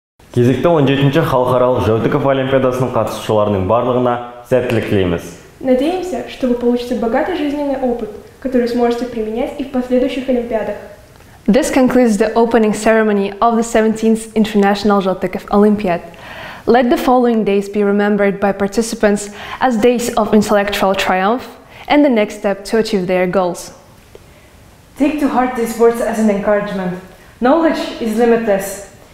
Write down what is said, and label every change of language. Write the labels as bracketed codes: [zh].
[kk] Кезекті 17-ші халықаралық Жәутіков олимпиадасының қатысушыларының барлығына сәттілік тілейміз. [ru] Надеемся, что вы получите богатый жизненный опыт, который сможете применять и в последующих олимпиадах. [en] This concludes the opening ceremony of the 17th International Jotikov Olympiad. Let the following days be remembered by participants as days of intellectual triumph and the next step to achieve their goals. Take to heart these words as an encouragement. Knowledge is limitless.